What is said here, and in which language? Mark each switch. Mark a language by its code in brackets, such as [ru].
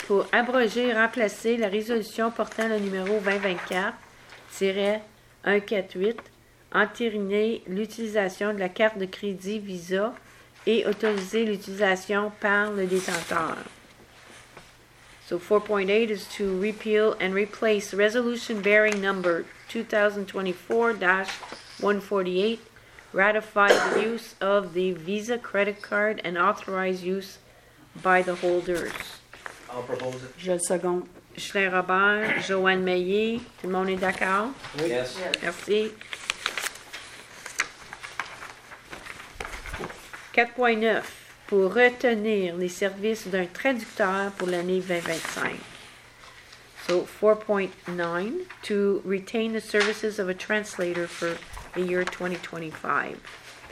[fr] Pour abroger et remplacer la résolution portant le numéro 2024-148, entériner l'utilisation de la carte de crédit Visa et autoriser l'utilisation par le détenteur. [en] So 4.8 is to repeal and replace resolution bearing number 2024-148, ratify the use of the Visa credit card and authorize use by the holders. I'll propose it. [fr] Je le second. Julien Robert, Joanne Meillet, tout le monde est d'accord? [en] Yes. Yes. [fr] Merci. 4.9. Pour retenir les services d'un traducteur pour l'année 2025. [en] So 4.9, to retain the services of a translator for the year 2025.